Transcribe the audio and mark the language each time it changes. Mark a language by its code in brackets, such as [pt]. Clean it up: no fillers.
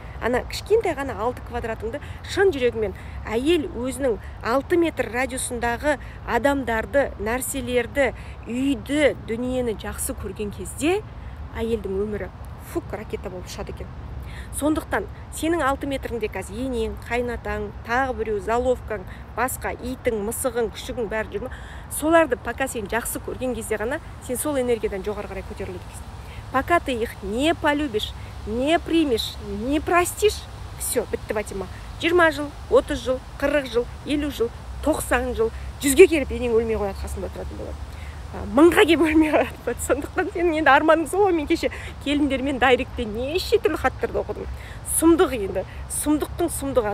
[kk] ана кішкентай ғана 6 квадратыңды шын жүрегімен әйел өзінің 6 метр радиусындағы адамдарды, нәрселерді, үйді, дүниені жақсы көрген кезде әйелдің өмірі фук ракета болып шығады екен. Сондықтан сенің 6 метріңде қаз енең, қайнатаң, тағы біреу, заловкаң, басқа итің, мысығың, күшігің бәрі жүрмі, соларды пока сен жақсы көрген кезде ғана сен сол энергиядан жоғары қарай көтерілесің. [ru] Пока ты их не полюбишь, не примешь, не простишь, все, [kk] бітті батима. 20 жыл, 30 жыл, 40 жыл, 50 жыл, 90 жыл, 100-ге келіп енең өлмей қояды, қасында тұратын болады. Мыңға кеп өлмей қалады бұл. Сондықтан сенің енді арманың сол, мен кеше келіндермен дайректе неше түрлі хаттарды оқыдым. Сұмдық енді. Сұмдықтың сұмдығы.